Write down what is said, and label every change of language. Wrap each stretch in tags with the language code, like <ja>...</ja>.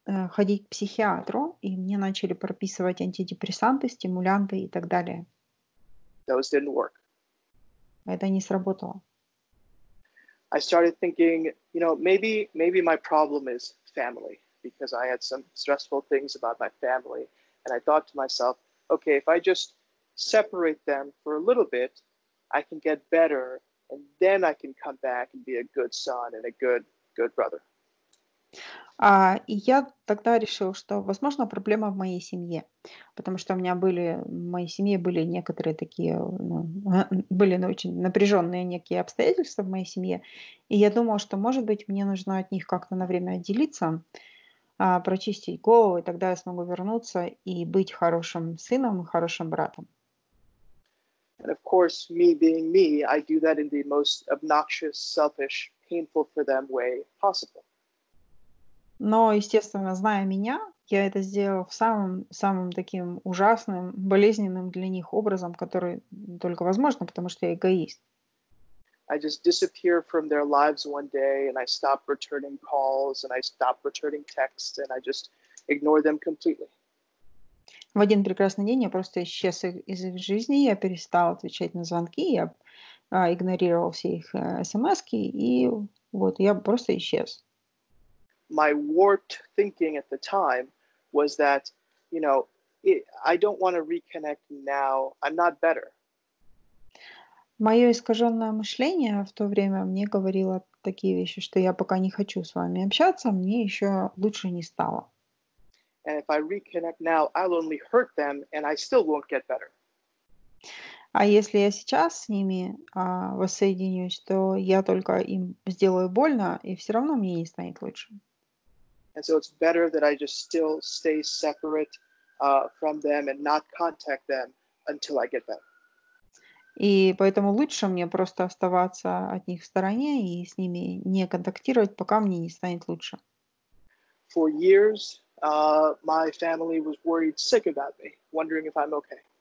<ru>Ходить к психиатру, и мне начали прописывать антидепрессанты, стимулянты и так далее.</ru> <en>Those didn't work.</en> <ru>Это не сработало.</ru> <en>I started thinking, you know, maybe my problem is family, because I had some stressful things about my family, and I thought to myself, okay, if I just separate them for a little bit, I can get better, and then I can come back and be a good son and a good brother.</en> <ru>И я тогда решил, что, возможно, проблема в моей семье, потому что в моей семье были некоторые такие, очень напряженные некие обстоятельства в моей семье, и я думал, что, может быть, мне нужно от них как-то на время отделиться, прочистить голову, и тогда я смогу вернуться и быть хорошим сыном и хорошим братом.</ru> <en>And of course, me being me, I do that in the most obnoxious, selfish, painful for them way possible.</en> <ru>Но, естественно, зная меня, я это сделала в самым таким ужасным, болезненным для них образом, который только возможно, потому что я эгоист.</ru> <en>I just disappear from their lives one day, and I stop returning calls, and I stop returning texts, and I just ignore them completely.</en> <ru>В один прекрасный день я просто исчез из их жизни, я перестал отвечать на звонки, я игнорировал все их смски, и вот я просто исчез.</ru> <en>My warped thinking at the time was that, you know, I don't want to reconnect now, I'm not better.</en> <ru>Мое искаженное мышление в то время мне говорило такие вещи, что я пока не хочу с вами общаться, мне еще лучше не стало.</ru> <en>And if I reconnect now, I'll only hurt them, and I still won't get better.</en> <ru>А если я сейчас с ними воссоединюсь, то я только им сделаю больно, и все равно мне не станет лучше.</ru> <en>And so it's better that I just still stay separate from them and not contact them until I get better.</en> <ru>И поэтому лучше мне просто оставаться от них в стороне и с ними не контактировать, пока мне не станет лучше.</ru> <en>For years, my family was worried sick about me, wondering if I'm okay.</en>